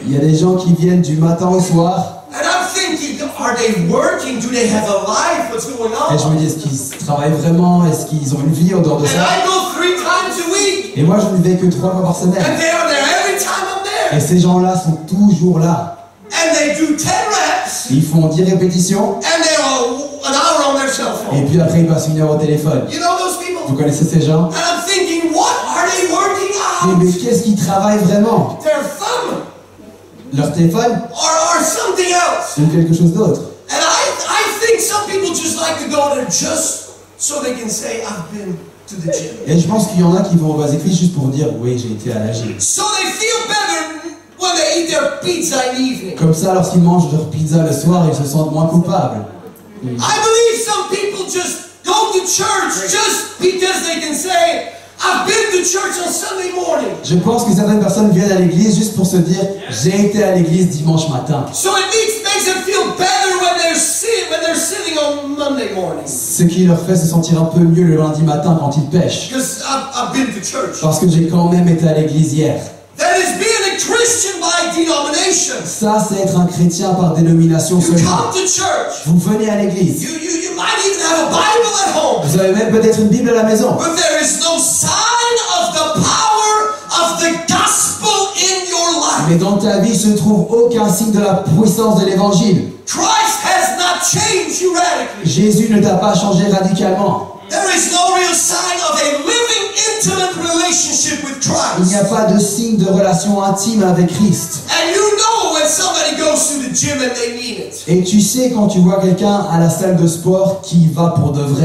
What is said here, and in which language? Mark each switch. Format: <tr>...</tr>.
<fr>Il y a des gens qui viennent du matin au soir.</fr> <en>And I'm thinking, are they working? Do they have a life? What's going on?</en> <fr>Et je me dis, est-ce qu'ils travaillent vraiment? Est-ce qu'ils ont une vie en dehors de ça?</fr> <en>And I go 3 times a week.</en> <fr>Et moi je ne vais que 3 fois par semaine.</fr> <en>And they are there every time I'm there.</en> <fr>Et ces gens-là sont toujours là.</fr> <en>And they do 10 reps.</en> <fr>Ils font 10 répétitions.</fr> <en>And they are an hour on their cell phone.</en> <fr>Et puis après ils passent une heure au téléphone.</fr> <en>You know those people?</en> <fr>Vous connaissez ces gens?</fr> <en>And I'm thinking, what are they working on?</en> <fr>Mais qu'est-ce qu'ils travaillent vraiment?</fr> <en>Their thumb.</en> <fr>Leur téléphone?</fr> <en>Or something else.</en> <fr>Ou quelque chose d'autre.</fr> <en>And I think some people just like to go there just so they can say I've been to the gym.</en> <fr>Et je pense qu'il y en a qui vont au basic fit juste pour dire oui j'ai été à la gym.</fr> <en>So they feel better when they eat their pizza in the evening.</en> <fr>Comme ça lorsqu'ils mangent leur pizza le soir ils se sentent moins coupables.</fr> <en>I believe some people just go to church just because they can say I've been to church on Sunday morning.</en> <fr>Je pense que certaines personnes viennent à l'église juste pour se dire j'ai été à l'église dimanche matin.</fr> <en>So it makes them feel better when they're sitting on Monday morning.</en> <fr>Ce qui leur fait se sentir un peu mieux le lundi matin quand ils pêchent.</fr> <en>Because I've been to church.</en> <fr>Parce que j'ai quand même été à l'église hier.</fr> <en>That is being a Christian by denomination.</en> <fr>Ça, c'est être un chrétien par dénomination seulement.</fr> <en>You come to church.</en> <fr>Vous venez à l'église.</fr> <en>You might even have a Bible at home.</en> <fr>Vous avez même peut-être une Bible à la maison.</fr> <en>But there is no sign of the power of the gospel in your life.</en> <fr>Mais dans ta vie, se trouve aucun signe de la puissance de l'évangile.</fr> <en>Christ has not changed you radically.</en> <fr>Jésus ne t'a pas changé radicalement.</fr> <en>There is no real sign of a living intimate relationship with Christ.</en> <fr>Il n'y a pas de signe de relation intime avec Christ.</fr> <en>And you know when somebody goes to the gym and they mean it.</en> <fr>Et tu sais quand tu vois quelqu'un à la salle de sport qui va pour de vrai.</fr>